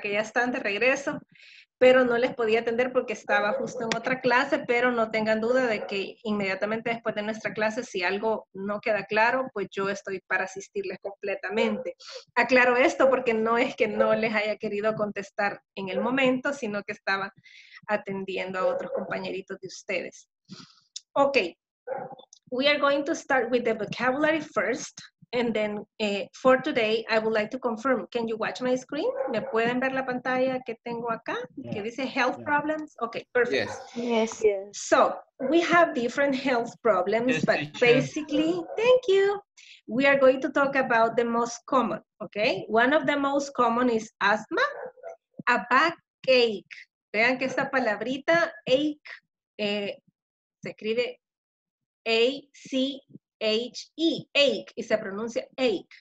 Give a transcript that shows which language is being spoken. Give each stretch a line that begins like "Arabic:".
Spanish: Que ya están de regreso. Pero no les podía atender porque estaba justo en otra clase, pero no tengan duda de que inmediatamente después de nuestra clase, si algo no queda claro, pues yo estoy para asistirles completamente. Aclaro esto porque no es que no les haya querido contestar en el momento, sino que estaba atendiendo a otros compañeritos de ustedes.
English: Ok, we are going to start with the vocabulary first, and then for today, I would like to confirm, can you watch my screen?
Spanish: ¿Me pueden ver la pantalla que tengo acá?
English: Yeah.
Spanish: Que dice
English: health problems? Okay, perfect. Yes. Yes. So, we have different health problems, yes, but basically, thank you. We are going to talk about the most common, okay? One of the most common is asthma, a backache.
Spanish: Vean que esta palabrita, ache, se escribe A-C-H-E, ache, y se pronuncia ache.